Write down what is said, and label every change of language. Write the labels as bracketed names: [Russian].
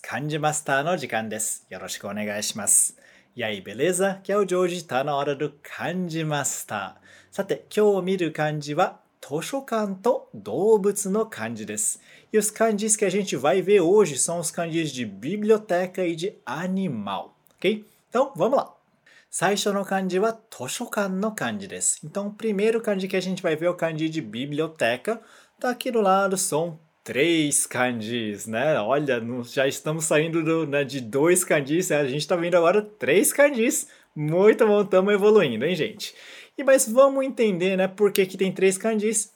[Japanese] 漢字マスターの時間です。よろしくお願いします。やい、ベレーザ。今日、ジョージとのあらる漢字マスター。さて、今日見る漢字は、図書館と動物の漢字です。 [Portuguese] E os kanjis que a gente vai ver hoje são os kanjis de biblioteca e de animal. Ok? Então, vamos lá! [Japanese] 最初の漢字は、図書館の漢字です。 [Portuguese] Então, primeiro kanji que a gente vai ver o kanji de biblioteca, tá aqui do lado, são três kanjis, né? Olha, já estamos saindo de dois kanjis, a gente está vendo agora três kanjis. Muito bom, estamos evoluindo, hein, gente? E, mas vamos entender, né, por que tem três kanjis.